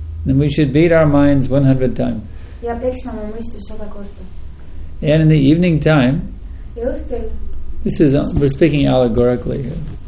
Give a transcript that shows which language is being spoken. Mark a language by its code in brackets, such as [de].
[en] and we should beat our minds 100 times. [et] Ja peaksime oma mõistus 100 korda. [en] And in the evening time, [et] ja õhtel, [en] we're speaking allegorically here.